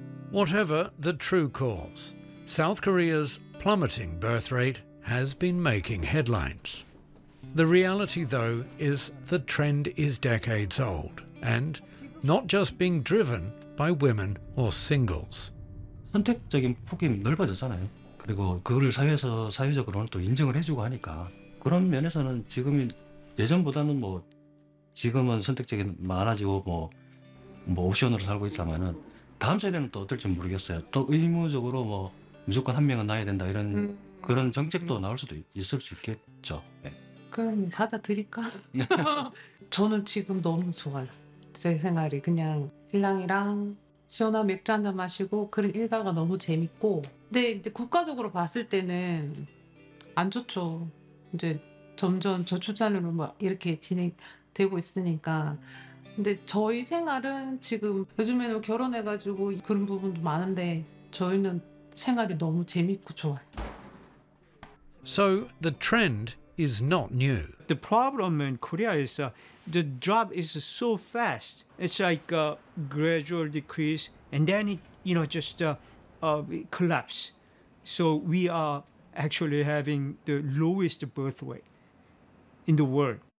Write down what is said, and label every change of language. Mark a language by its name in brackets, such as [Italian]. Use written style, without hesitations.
[English] Whatever the true cause, South Korea's plummeting birth rate has been making headlines. The reality, though, is the trend is decades old, and not just being driven by women or singles. [Korean] 선택적인 폭이 넓어졌잖아요. 그리고 그거를 사회적으로는 또 인정을 해주고 하니까 그런 면에서는 지금이 예전보다는 뭐 지금은 선택적이 많아지고 뭐 옵션으로 살고 있다면은 다음 세대는 또 어떨지 모르겠어요. 또 의무적으로 뭐 무조건 한 명은 낳아야 된다 이런 그런 정책도 나올 수도 있을 수 있겠죠. 네. 그럼 받아들일까? 저는 지금 너무 좋아요. 제 생활이 그냥 신랑이랑 시원한 맥주 한잔 마시고 그런 일가가 너무 재밌고. 근데 이제 국가적으로 봤을 때는 안 좋죠. 이제 점점 저출산으로 막 이렇게 진행되고 있으니까. 근데 저희 생활은 지금 요즘에는 결혼해가지고 그런 부분도 많은데 저희는 생활이 너무 재밌고 좋아요. [English] So the trend is not new. The problem in Korea is the drop is so fast. It's like a gradual decrease, and then it, you know, just collapse. So we are actually having the lowest birth rate in the world.